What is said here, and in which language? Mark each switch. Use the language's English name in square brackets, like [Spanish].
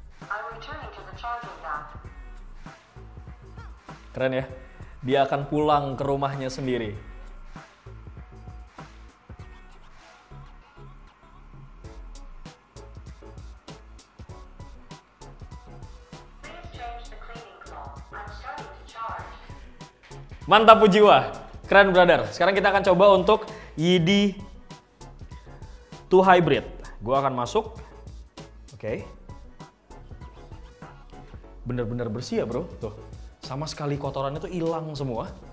[English] I'm returning to the charging dock. [Indonesian] Keren ya. Dia akan pulang ke rumahnya sendiri. [English] Please change the cleaning call. I'm starting to charge. [Indonesian] Mantap jiwa. Keren brother. Sekarang kita akan coba untuk YD 2 Hybrid. Gua akan masuk. Oke. Bener-bener bersih ya, bro. Tuh. Sama sekali kotorannya tuh hilang semua.